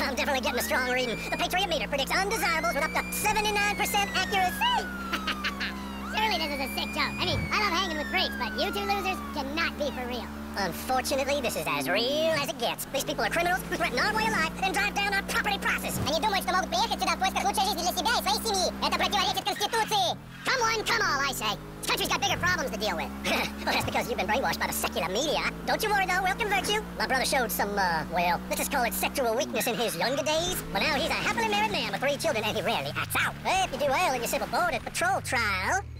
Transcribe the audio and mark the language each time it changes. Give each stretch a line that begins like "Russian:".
English: I'm definitely getting a strong reading. The Patriot meter predicts undesirables with up to 79% accuracy. Surely this is a sick joke. I mean, I love hanging with freaks, but you two losers cannot be for real. Unfortunately, this is as real as it gets. These people are criminals who threaten our way of life and drive down our property prices.
Russian: Они думают, что могут приехать сюда в поисках лучшей жизни для себя и своей семьи. Это противоречит Конституции.
English: Come one, come all, I say. This country's got bigger problems to deal with. Well, that's because you've been brainwashed by the secular media. Don't you worry, though. We'll convert you. My brother showed some, well, let's just call it sexual weakness in his younger days. Well, now he's a happily married man with 3 children, and he rarely acts out. Hey, if you do well in your civil border patrol trial...